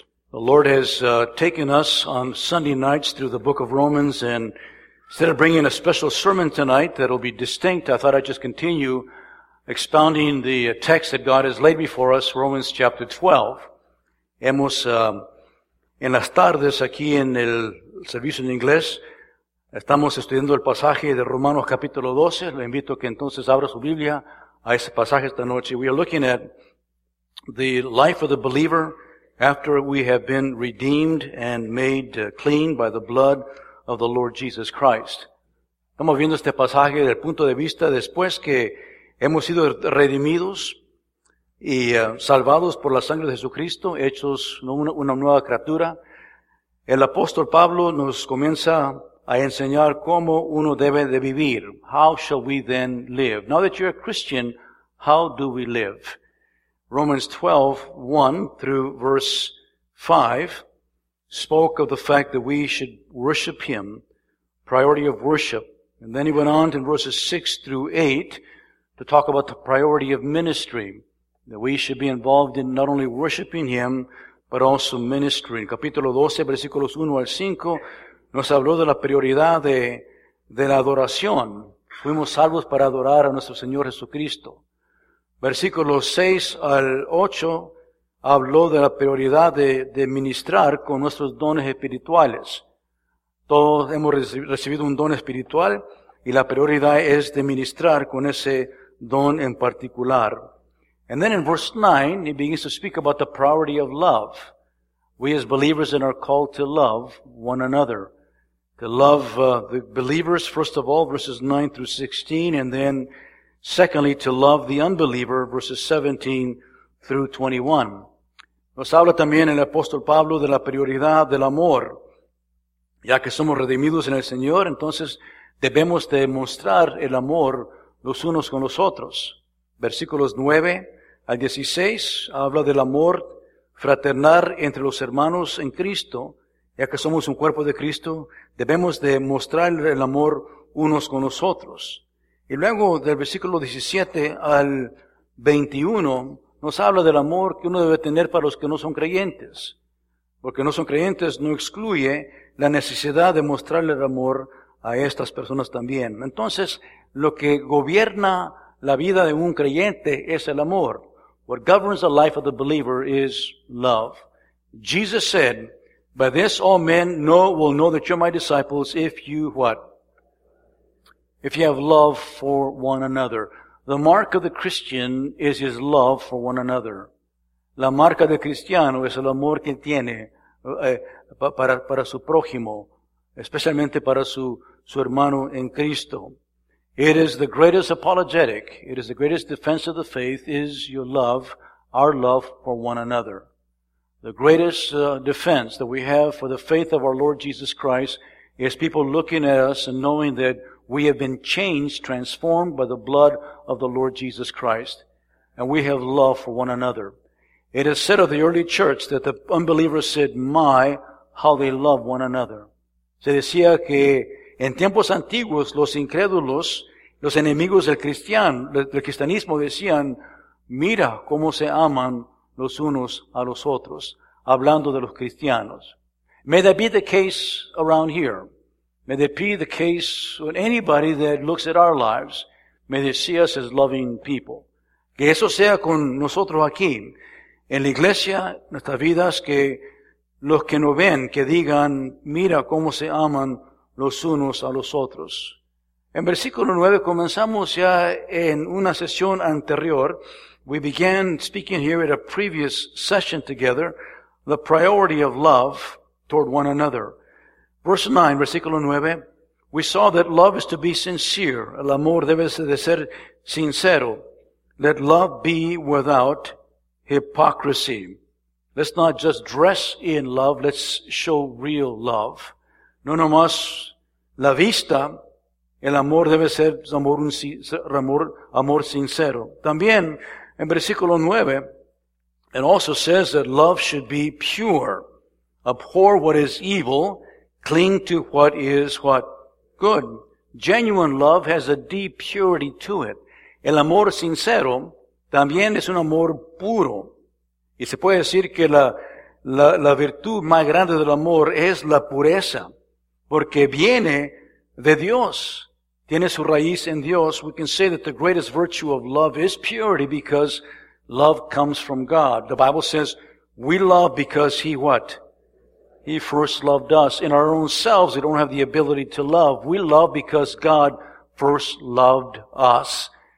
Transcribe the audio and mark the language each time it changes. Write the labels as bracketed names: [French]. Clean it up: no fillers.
[English] The Lord has taken us on Sunday nights through the book of Romans, and instead of bringing a special sermon tonight that will be distinct, I thought I'd just continue expounding the text that God has laid before us, Romans chapter 12. [Spanish] Hemos, en las tardes aquí en el servicio en inglés, estamos estudiando el pasaje de Romanos capítulo 12. Le invito a que entonces abra su Biblia a ese pasaje esta noche. [English] We are looking at the life of the believer after we have been redeemed and made clean by the blood of the Lord Jesus Christ. [Spanish] Estamos viendo este pasaje desde el punto de vista después que hemos sido redimidos y salvados por la sangre de Jesucristo, hechos una nueva criatura. El apóstol Pablo nos comienza a enseñar cómo uno debe de vivir. [English] How shall we then live? Now that you're a Christian, how do we live? Romans 12, 1 through verse 5 spoke of the fact that we should worship Him, priority of worship. And then he went on to verses 6 through 8 to talk about the priority of ministry, that we should be involved in not only worshiping Him, but also ministry. [Spanish] In capítulo 12, versículos 1 al 5, nos habló de la prioridad de la adoración. Fuimos salvos para adorar a nuestro Señor Jesucristo. Versículos 6 al 8 habló de la prioridad de ministrar con nuestros dones espirituales. Todos hemos recibido un don espiritual y la prioridad es de ministrar con ese don en particular. [English] And then in verse 9, he begins to speak about the priority of love. We as believers in our call to love one another. To love the believers, first of all, verses 9 through 16, and then secondly, to love the unbeliever, verses 17 through 21. [Spanish] Nos habla también el apóstol Pablo de la prioridad del amor. Ya que somos redimidos en el Señor, entonces debemos demostrar el amor los unos con los otros. Versículos 9 al 16 habla del amor fraternal entre los hermanos en Cristo. Ya que somos un cuerpo de Cristo, debemos de mostrar el amor unos con los otros. Y luego, del versículo 17 al 21, nos habla del amor que uno debe tener para los que no son creyentes. Porque no son creyentes no excluye la necesidad de mostrarle el amor a estas personas también. Entonces, lo que gobierna la vida de un creyente es el amor. [English] What governs the life of the believer is love. Jesus said, "By this all men will know that you're my disciples if you," what? If you have love for one another. The mark of the Christian is his love for one another. [Spanish] La marca del cristiano es el amor que tiene para su prójimo, especialmente para su hermano en Cristo. [English] It is the greatest apologetic, it is the greatest defense of the faith, is your love, our love for one another. The greatest defense that we have for the faith of our Lord Jesus Christ is people looking at us and knowing that we have been changed, transformed by the blood of the Lord Jesus Christ. And we have love for one another. It is said of the early church that the unbelievers said, "My, how they love one another." [Spanish] Se decía que en tiempos antiguos los incrédulos, los enemigos del cristianismo decían, "Mira cómo se aman los unos a los otros," hablando de los cristianos. [English] May that be the case around here. May that be the case with anybody that looks at our lives. May they see us as loving people. [Spanish] Que eso sea con nosotros aquí. En la iglesia, nuestras vidas, que los que nos ven, que digan, mira cómo se aman los unos a los otros. En versículo 9 comenzamos ya en una sesión anterior. [English] We began speaking here at a previous session together, the priority of love toward one another. Verse 9, [Spanish] versículo 9, [English] we saw that love is to be sincere. [Spanish] El amor debe de ser sincero. [English] Let love be without hypocrisy. Let's not just dress in love, let's show real love. [Spanish] No nomás la vista, el amor debe ser amor sincero. También, [English] in [Spanish] versículo 9, [English] it also says that love should be pure. Abhor what is evil, cling to what is what? Good. Genuine love has a deep purity to it. [Spanish] El amor sincero también es un amor puro. Y se puede decir que la virtud más grande del amor es la pureza, porque viene de Dios, tiene su raíz en Dios. [English] We can say that the greatest virtue of love is purity because love comes from God. The Bible says, we love because He what? He first loved us. In our own selves, we don't have the ability to love. We love because God first loved us.